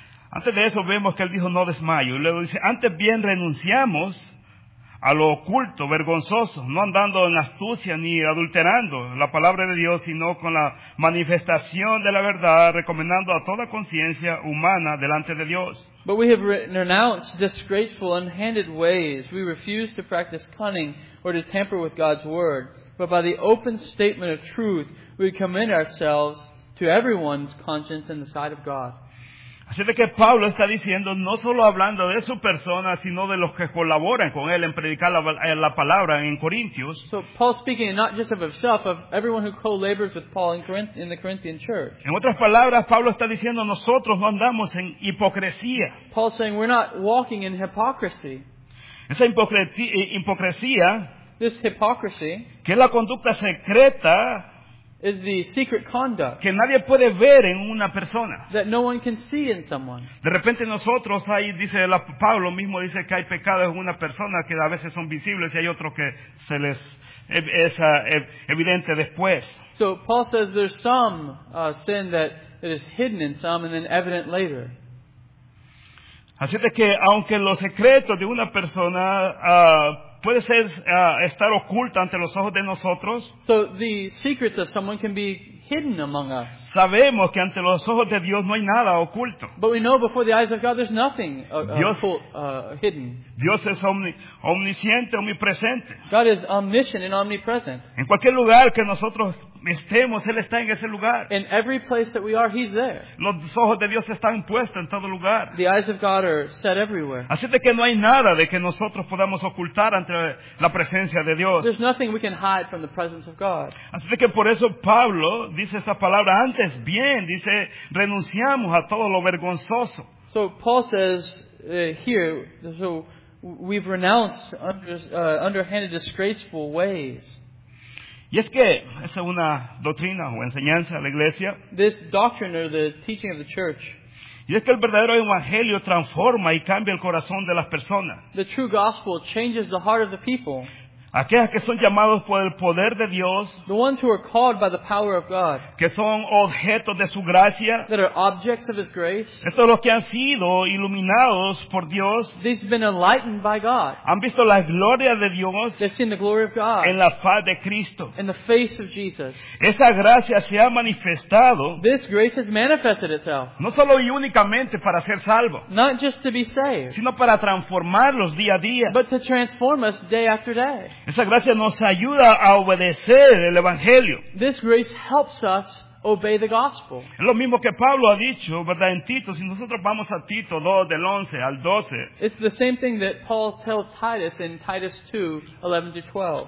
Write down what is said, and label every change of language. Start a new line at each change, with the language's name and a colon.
Spanish: Antes de eso vemos que él dijo no desmayo. Y luego dice, antes bien renunciamos a lo oculto, vergonzoso, no andando en astucia ni adulterando la palabra de Dios, sino con la manifestación de la verdad, recomendando a toda conciencia humana delante de Dios.
English: But we have renounced disgraceful, unhanded ways. We refuse to practice cunning or to tamper with God's word. But by the open statement of truth, we commend ourselves to everyone's conscience in the sight of God.
Spanish: Así de que Pablo está diciendo, no solo hablando de su persona, sino de los que colaboran con él en predicar la palabra en Corintios.
English: So Paul's speaking not just of himself, of everyone who co-labors with Paul in the Corinthian church.
Spanish: En otras palabras, Pablo está diciendo, nosotros no andamos en hipocresía.
English: Paul's saying we're not walking in hypocrisy.
Spanish: Esa hipocresía,
English: this hypocrisy,
Spanish: que es la conducta secreta
English: is the secret conduct
Spanish: que nadie puede ver en una persona.
English: That no one can see in someone.
Spanish: De repente nosotros, ahí dice la, Pablo mismo dice que hay pecados en una persona que a veces son visibles y hay otros que se les es evidente después.
English: So Paul says there's some sin that is hidden in some and then evident later.
Spanish: Así es que aunque los secretos de una persona puede ser estar oculta ante los ojos de nosotros.
English: So the secrets of someone can be hidden among us.
Spanish: Sabemos que ante los ojos de Dios no hay nada oculto.
English: But we know before the eyes of God there's nothing hidden.
Spanish: Dios es omnisciente, omnipresente.
English: God is omniscient and omnipresent.
Spanish: En cualquier lugar que nosotros estemos, Él está en ese lugar.
English: In every place that we are, He's there.
Spanish: Los ojos de Dios están puestos en todo lugar.
English: The eyes of God are set everywhere.
Spanish: Así de que no hay nada de que nosotros podamos ocultar ante la presencia de Dios.
English: There's nothing we can hide from the presence of God.
Spanish: Así de que por eso Pablo dice esa palabra antes, bien, dice, renunciamos a todo lo vergonzoso.
English: So Paul says here, so we've renounced underhanded, disgraceful ways.
Spanish: Y es que esa es una doctrina o enseñanza de la iglesia.
English: This doctrine or the teaching of the church.
Spanish: Y es que el verdadero evangelio transforma y cambia el corazón de las personas.
English: The true gospel changes the heart of the people.
Spanish: Aquellas que son llamados por el poder de Dios.
English: The ones who are called by the power of God.
Spanish: Que son objetos de su gracia.
English: That are objects of His grace.
Spanish: Estos los que han sido iluminados por Dios.
English: These have been enlightened by God.
Spanish: Han visto la gloria de Dios.
English: They've seen the glory of God.
Spanish: En la faz de Cristo.
English: In the face of Jesus.
Spanish: Esa gracia se ha manifestado.
English: This grace has manifested itself.
Spanish: No solo y únicamente para ser salvo.
English: Not just to be saved.
Spanish: Sino para transformarlos día a día.
English: But to transform us day after day.
Spanish: Esa gracia nos ayuda a obedecer el Evangelio.
English: This grace helps us obey the gospel.
Spanish: Es lo mismo que Pablo ha dicho, ¿verdad? En Tito, si nosotros vamos a Tito 2, del 11 al 12.
English: It's the same thing that Paul tells Titus in Titus 2, 11 to 12.